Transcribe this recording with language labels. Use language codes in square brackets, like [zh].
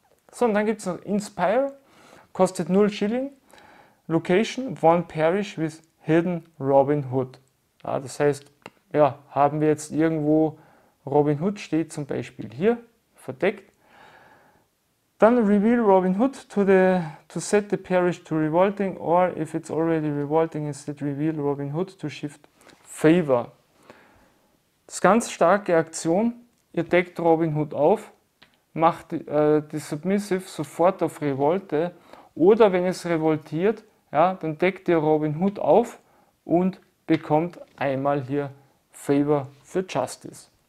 [de] So, und dann gibt es noch Inspire, kostet 0 Schilling, Location, [en] One Parish with Hidden Robin Hood. [de] Ja, das heißt, ja, haben wir jetzt irgendwo Robin Hood steht zum Beispiel hier, verdeckt. [en] Dann reveal Robin Hood to set the parish to revolting or if it's already revolting, instead reveal Robin Hood to shift favor. [de] Das ist ganz starke Aktion. Ihr deckt Robin Hood auf, macht die Submissive sofort auf Revolte oder wenn es revoltiert, ja, dann deckt ihr Robin Hood auf und bekommt einmal hier Favor für Justice.